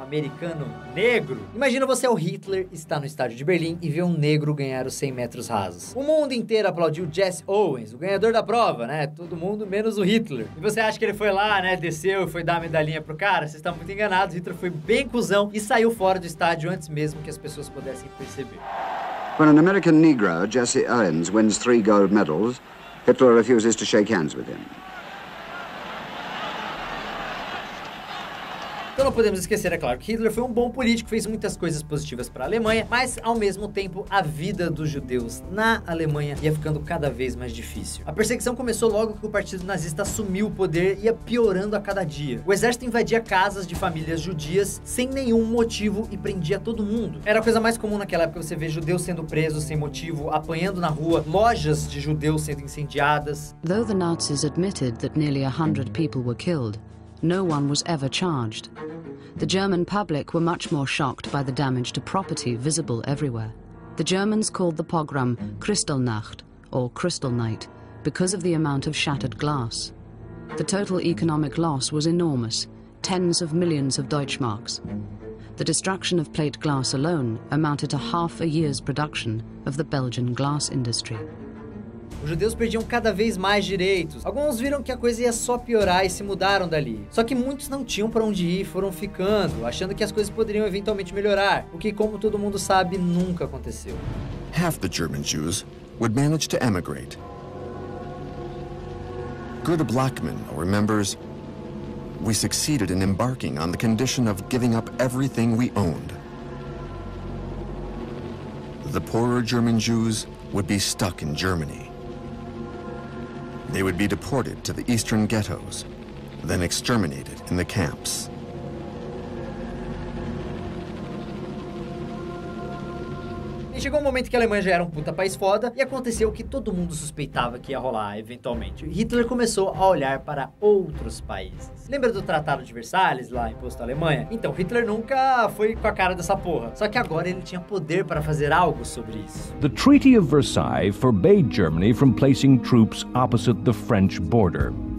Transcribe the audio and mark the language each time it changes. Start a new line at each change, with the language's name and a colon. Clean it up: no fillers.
Portuguese: Americano negro. Imagina você, o Hitler, está no estádio de Berlim e vê um negro ganhar os 100 metros rasos. O mundo inteiro aplaudiu Jesse Owens, o ganhador da prova, né? Todo mundo, menos o Hitler. E você acha que ele foi lá, né? Desceu e foi dar a medalhinha pro cara? Vocês estão muito enganados. Hitler foi bem cuzão e saiu fora do estádio antes mesmo que as pessoas pudessem perceber.
English: When an American negro, Jesse Owens, wins 3 gold medals, Hitler refuses to shake hands with him.
Portuguese: Então não podemos esquecer, é claro, que Hitler foi um bom político, fez muitas coisas positivas para a Alemanha, mas, ao mesmo tempo, a vida dos judeus na Alemanha ia ficando cada vez mais difícil. A perseguição começou logo que o partido nazista assumiu o poder e ia piorando a cada dia. O exército invadia casas de famílias judias sem nenhum motivo e prendia todo mundo. Era a coisa mais comum naquela época você ver judeus sendo presos sem motivo, apanhando na rua, lojas de judeus sendo incendiadas.
English: Though the Nazis admitted that nearly 100 people were killed, no one was ever charged. The German public were much more shocked by the damage to property visible everywhere. The Germans called the pogrom Kristallnacht, or Crystal Night, because of the amount of shattered glass. The total economic loss was enormous, tens of millions of Deutschmarks. The destruction of plate glass alone amounted to half a year's production of the Belgian glass industry.
Portuguese: Os judeus perdiam cada vez mais direitos. Alguns viram que a coisa ia só piorar e se mudaram dali. Só que muitos não tinham pra onde ir e foram ficando, achando que as coisas poderiam eventualmente melhorar. O que, como todo mundo sabe, nunca aconteceu.
English: Half the German Jews would manage to emigrate. Goethe Blackman remembers, we succeeded in embarking on the condition of giving up everything we owned. The poorer German Jews would be stuck in Germany. They would be deported to the eastern ghettos, then exterminated in the camps.
Portuguese: E chegou um momento que a Alemanha já era um puta país foda e aconteceu o que todo mundo suspeitava que ia rolar eventualmente. Hitler começou a olhar para outros países. Lembra do Tratado de Versalhes lá imposto à Alemanha? Então, Hitler nunca foi com a cara dessa porra. Só que agora ele tinha poder para fazer algo sobre isso.
English: The Treaty of Versailles forbade Germany from placing troops opposite the French border.